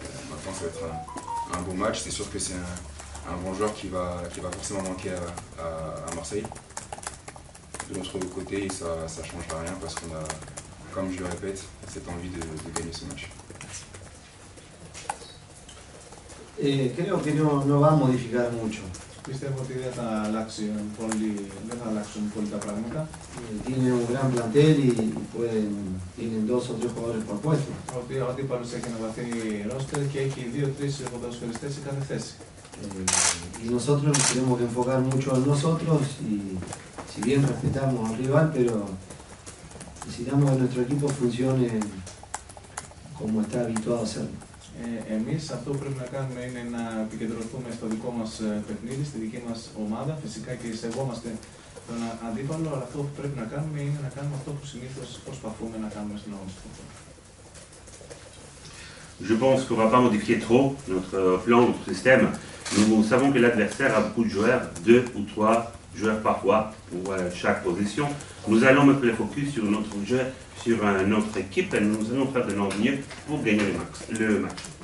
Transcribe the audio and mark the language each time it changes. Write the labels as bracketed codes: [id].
[fr] Maintenant, ça va être un bon match. C'est sûr que c'est un bon joueur qui va forcément manquer à Marseille. de notre côté et ça ne changera rien parce qu'on a, comme je le répète, cette envie de gagner ce match. [es] Creo que no va a modificar mucho. Este partido está laxo en poli, deja laxo en poli la pregunta. Tiene un gran plantel y pueden, tienen dos o tres jugadores por puesto. [el] Ο αντίπαλος έχει να βαθύνει ρόστερ και έχει δύο, τρεις ποδοσφαιριστές σε κάθε θέση. [es] Y nosotros nos tenemos que enfocar mucho en nosotros y si bien respetamos al rival, pero necesitamos que nuestro equipo funcione como está habituado a hacerlo. [el] Εμείς αυτό που πρέπει να κάνουμε είναι να επικεντρωθούμε στο δικό μας παιχνίδι, στη δική μας ομάδα. Φυσικά και σεβόμαστε τον αντίπαλο, αλλά αυτό που πρέπει να κάνουμε είναι να κάνουμε αυτό που συνήθως προσπαθούμε να κάνουμε στην αγωνιστική. [fr] Je pense qu'on ne va pas modifier trop notre plan, notre système. Nous savons que l'adversaire a beaucoup de joueurs, deux ou trois joueurs parfois, pour chaque position. Nous allons mettre le focus sur notre jeu, sur notre équipe, et nous allons faire de notre mieux pour gagner le match.